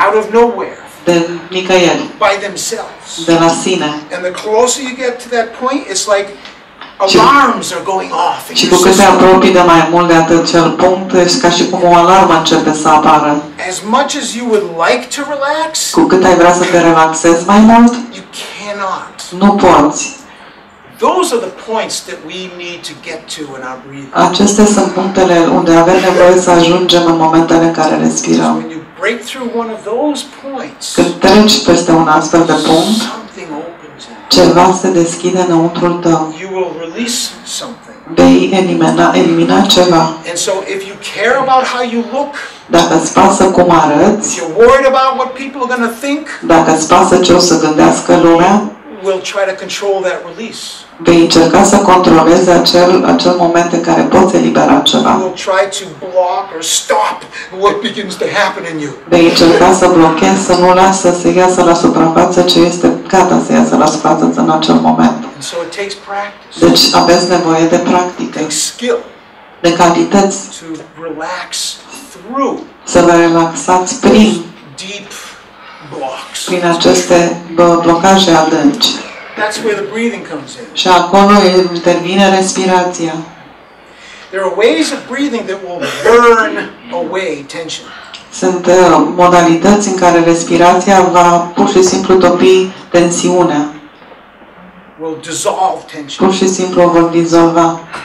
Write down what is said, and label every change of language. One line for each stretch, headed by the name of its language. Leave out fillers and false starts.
English: Out of nowhere.
Romanian: De nicăieri.
English: By themselves.
Romanian: De la sine.
English: And the closer you get to that point, it's like alarms are going off.
Romanian: Și cu cât te apropii de mai mult de acel punct, este ca și cum o alarmă începe să apară.
English: As much as you would like to relax,
Romanian: cu cât ai vrea să te relaxezi mai mult,
English: you cannot.
Romanian: Nu poți.
English: Those are the points that we need to get to in our breathing.
Romanian: Acestea sunt punctele unde avem nevoie să ajungem în momentele în care respirăm.
English: When you break through one of those points,
Romanian: când treci peste un astfel de punct,
English: something opens.
Romanian: Ceva se deschide înăuntrul tău.
English: You will release something.
Romanian: Vei elimina ceva.
English: And so if you care about how you look,
Romanian: dacă îți pasă cum arăți,
English: if you're worried about what people are gonna think,
Romanian: dacă îți pasă ce o să gândească lumea,
English: we'll try to control that release.
Romanian: Vei încerca să controlezi acel moment în care poți elibera ceva.
English: We'll try to block or stop what begins to happen in you.
Romanian: Vei încerca să blochezi, să nu lași să se iasă la suprafață ce este gata să iasă la suprafață în acel moment.
English: So it takes practice.
Romanian: Deci aveți nevoie de practică.
English: It takes skill.
Romanian: De calități.
English: To relax through.
Romanian: Să vă relaxați prin
English: deep blocks.
Romanian: Prin aceste blocaje adânci.
English: That's where the breathing comes in.
Romanian: Și acolo intervine respirația.
English: There are ways of breathing that will burn away tension.
Romanian: Sunt modalități în care respirația va pur și simplu topi tensiunea.
English: Will dissolve tension.
Romanian: Pur și simplu o vor dizolva.